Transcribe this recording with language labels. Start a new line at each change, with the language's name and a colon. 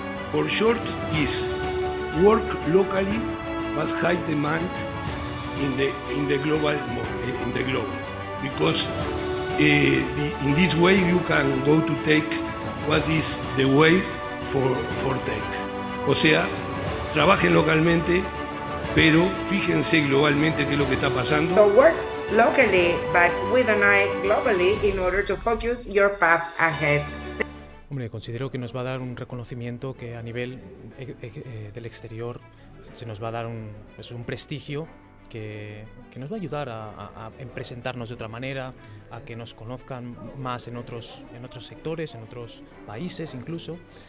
English: For short is work locally but high demand in the global because in this way you can go to take what is the way for take.
Spanish: O sea, trabajen localmente, pero fíjense globalmente qué es lo que está pasando.
English: So work locally but with an eye globally in order to focus your path ahead.
Spanish: Hombre, considero que nos va a dar un reconocimiento que a nivel del exterior se nos va a dar un prestigio que nos va a ayudar a presentarnos de otra manera, a que nos conozcan más en otros sectores, en otros países incluso.